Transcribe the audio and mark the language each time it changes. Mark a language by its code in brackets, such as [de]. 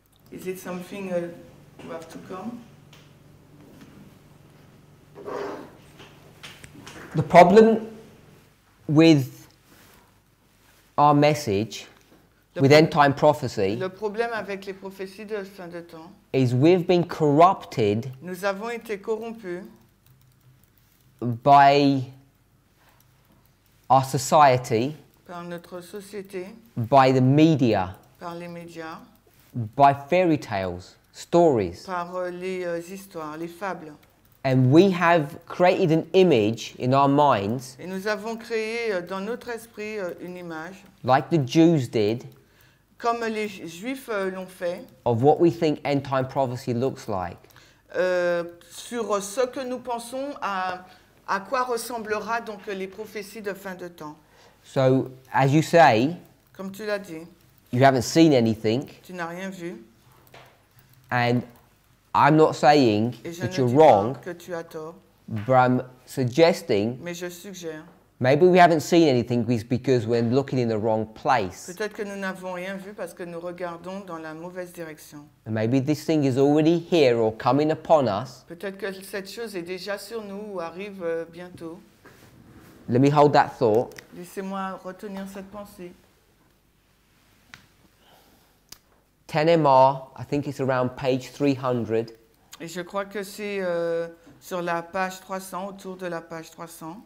[en] Is it something you have to come? The problem with our message, with end time prophecy, [fr] le problème avec les prophéties de fin de temps, [en] is we've been corrupted. [fr] Nous avons été corrompus [en] by our society, [fr] par notre société, [en] by the media, [fr] par les médias, [en] by fairy tales, stories, [fr] par les histoires, les fables. [en] And we have created an image in our minds, [fr] et nous avons créé dans notre esprit une image, [en] like the Jews did. [fr] Comme les Juifs l'ont fait. [en] Of what we think end time prophecy looks like. [fr] Sur ce que nous pensons à quoi ressemblera donc les prophéties de fin de temps. [en] So, as you say. [fr] Comme tu l'as dit. [en] You haven't seen anything. [fr] Tu n'as rien vu. [en] And I'm not saying that you're wrong. [fr] Que tu as tort. [en] But I'm suggesting. [fr] Mais je suggère. [en] Maybe we haven't seen anything because we're looking in the wrong place. [fr] Peut-être que nous n'avons rien vu parce que nous regardons dans la mauvaise direction. [en] And maybe this thing is already here or coming upon us. [fr] Peut-être que cette chose est déjà sur nous ou arrive bientôt. [en] Let me hold that thought. [fr] Laissez-moi retenir cette pensée. [en] 10 MR, I think it's around page 300. [fr] Et je crois que c'est sur la page 300, autour de la page 300.